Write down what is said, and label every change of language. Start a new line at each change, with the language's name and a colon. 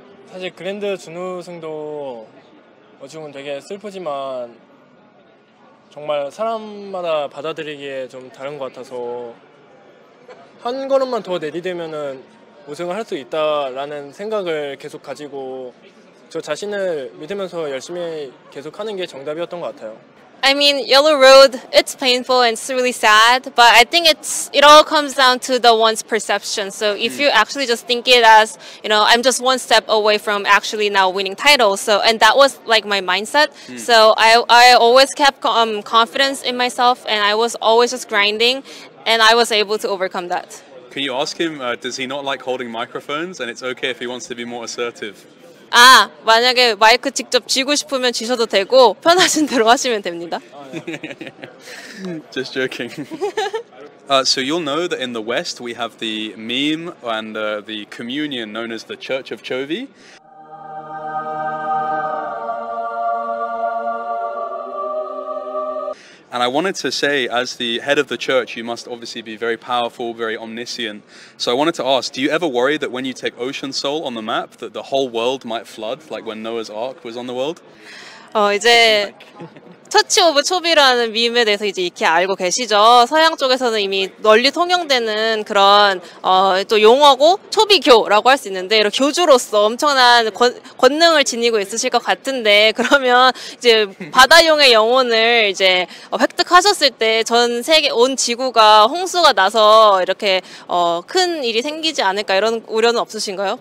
Korean: 사실 그랜드 준우승도 어찌 보면 되게 슬프지만 정말 사람마다 받아들이기에 좀 다른 것 같아서 한 걸음만 더 내디디면은 우승을 할 수 있다라는 생각을 계속 가지고 저 자신을 믿으면서 열심히 계속 하는 게 정답이었던 것 같아요.
English: I mean, Yellow Road, it's painful and it's really sad, but I think it all comes down to the one's perception. So if you actually just think it as, you know, I'm just one step away from actually now winning titles. So, and that was like my mindset. So I always kept confidence in myself and I was always just grinding and I was able to overcome that. Can you ask him, does he not like holding microphones and it's okay if he wants to be more assertive?
Korean: 아, 만약에 마이크 직접 쥐고 싶으면 쥐셔도 되고 편하신 대로 하시면 됩니다.
English: Just joking. So you'll know that in the West we have the meme and the communion known as the Church of Chovy. And I wanted to say, as the head of the church, you must obviously be very powerful, very omniscient. So I wanted to ask, do you ever worry that when you take Ocean Soul on the map, that the whole world might flood, like when Noah's Ark was on the world?
Korean: 이제 터치 오브 초비라는 밈에 대해서 이제 익히 알고 계시죠. 서양 쪽에서는 이미 널리 통용되는 그런 또 용어고 초비교라고 할 수 있는데 이런 교주로서 엄청난 권능을 지니고 있으실 것 같은데 그러면 이제 바다용의 영혼을 이제 획득하셨을 때 전 세계 온 지구가 홍수가 나서 이렇게 큰 일이 생기지 않을까 이런 우려는 없으신가요?